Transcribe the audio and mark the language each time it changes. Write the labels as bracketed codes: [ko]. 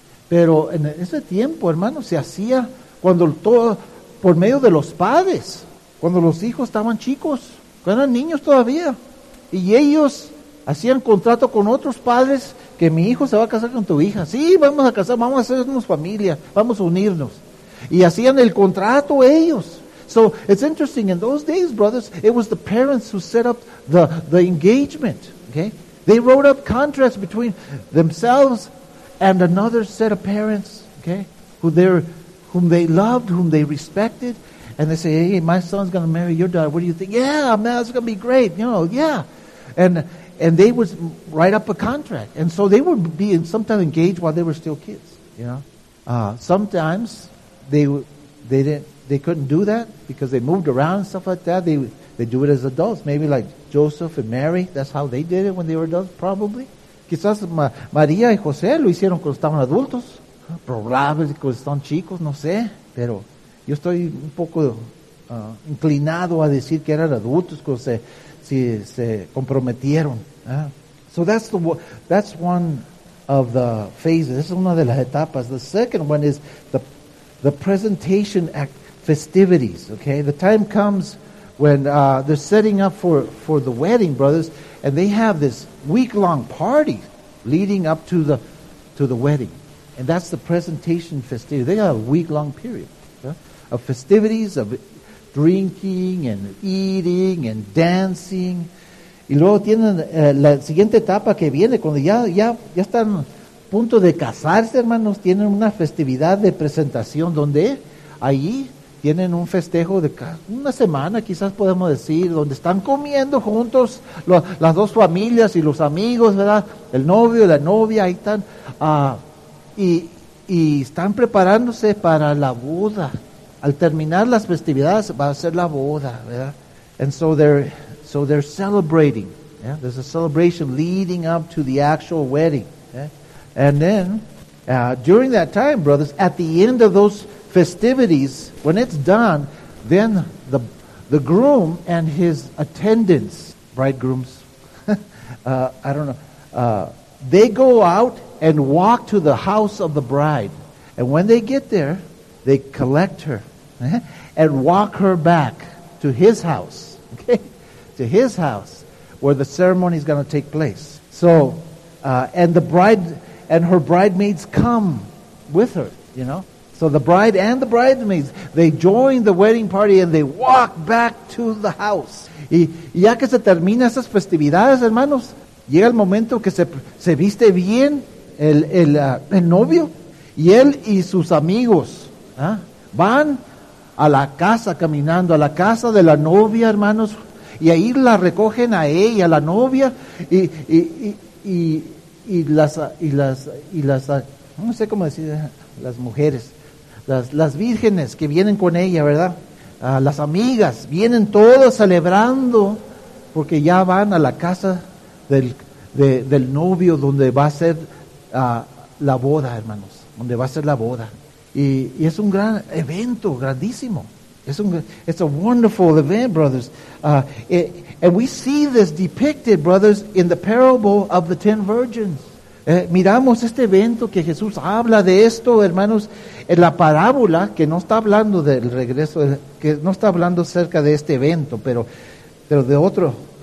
[es] Pero en ese tiempo, hermanos, se hacía cuando todo, por medio de los padres, cuando los hijos estaban chicos, cuando eran niños todavía, y ellos hacían contrato con otros padres, que mi hijo se va a casar con tu hija. Sí, vamos a casar, vamos a hacernos familia, vamos a unirnos. Y hacían el contrato ellos. [en] So, it's interesting, in those days, brothers, it was the parents who set up the engagement, okay? They wrote up contracts between themselves and another set of parents, okay? Whom they loved, whom they respected. And they say, hey, my son's going to marry your daughter. What do you think? Yeah, man, it's going to be great, you know, yeah. And they would write up a contract. And so they would be sometimes engaged while they were still kids, you know. Sometimes they couldn't do that because they moved around and stuff like that. They do it as adults, maybe like Joseph and Mary. That's how they did it when they were adults, probably. [es] Quizás María y José lo hicieron cuando estaban adultos. Probablemente cuando están chicos, no sé. Pero yo estoy un poco inclinado a decir que eran adultos cuando se comprometieron. [en] So that's one of the phases. [es] Es una de las etapas. [en] The second one is the presentation act festivities. Okay, the time comes when they're setting up for the wedding, brothers, and they have this week long party leading up to the wedding, and that's the presentation festivity. They have a week long period of festivities of drinking and eating and dancing. [es] Y luego tienen la siguiente etapa que viene, cuando ya están a punto de casarse, hermanos, tienen una festividad de presentación donde ahí tienen un festejo de una semana, quizás podemos decir, donde están comiendo juntos las dos familias y los amigos, ¿verdad? El novio y la novia, ahí están. Y están preparándose para la boda. Al terminar las festividades, va a ser la boda, ¿verdad? [en] And so they're celebrating. Yeah? There's a celebration leading up to the actual wedding. Yeah? And then, during that time, brothers, at the end of those festivities, when it's done, then the groom and his attendants, bridegrooms, I don't know, they go out and walk to the house of the bride. And when they get there, they collect her and walk her back to his house. Okay? To his house where the ceremony is going to take place. So, and the bride and her bridesmaids come with her, you know. So the bride and the bridesmaids, they join the wedding party and they walk back to the house. [es] Y ya que se termina esas festividades, hermanos, llega el momento que se viste bien el novio y él y sus amigos, ¿eh? Van a la casa caminando, a la casa de la novia, hermanos, y ahí la recogen a ella, la novia, y las no sé cómo decir, las mujeres, las vírgenes que vienen con ella, ¿verdad? Las amigas vienen todas celebrando porque ya van a la casa del novio donde va a ser la boda, hermanos, donde va a ser la boda. Y es un gran evento, grandísimo. [en] It's a wonderful event, brothers. And we see this depicted, brothers, in the parable of the 10 virgins. [es] Miramos este evento que Jesús habla de esto, hermanos, en la parábola que no está hablando del regreso, que no está hablando acerca de este evento, pero de otro.